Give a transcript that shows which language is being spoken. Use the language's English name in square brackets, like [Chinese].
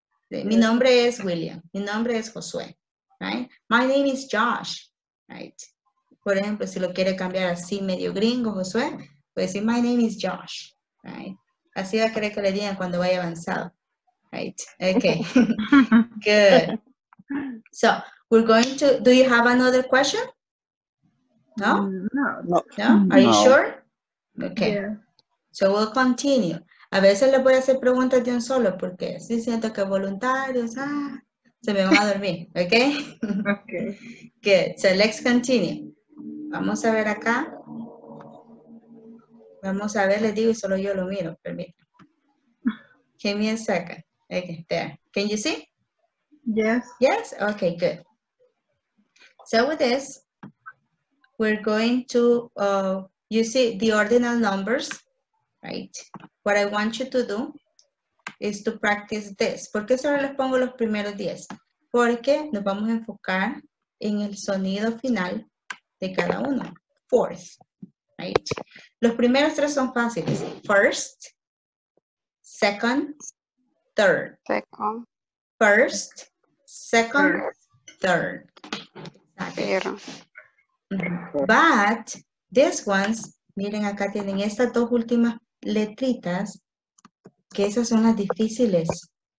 [Spanish] Mi nombre es William. Mi nombre es Josué. [English] Right? My name is Josh. Right? [Spanish] Por ejemplo, si lo quiere cambiar así medio gringo, Josué, puede decir, [English] my name is Josh. Right? [Spanish] Así va a querer que le digan cuando vaya avanzado. [English] Right? Okay. Good. So, we're going to, do you have another question? No? No. No? Are you sure? Okay. Yeah. So, we'll continue. [Spanish] A veces le voy a hacer preguntas de un solo porque sí siento que voluntarios, se me va a dormir. [English] Okay? Okay. Good. So, let's continue. [Spanish] Vamos a ver acá. Vamos a ver, les digo, y solo yo lo miro. Permítanme. [English] Give me a second. Okay, there. Can you see? Yes. Yes? Okay, good. So with this, we're going to, you see the ordinal numbers, right? What I want you to do is to practice this. [Spanish] ¿Por qué solo les pongo los primeros 10? Porque nos vamos a enfocar en el sonido final de cada uno. [English] Fourth, right? [Spanish] Los primeros tres son fáciles. [English] First, second, third. Second. First. Second, third. But these ones, [Spanish] miren acá tienen estas dos últimas letritas, que esas son las difíciles.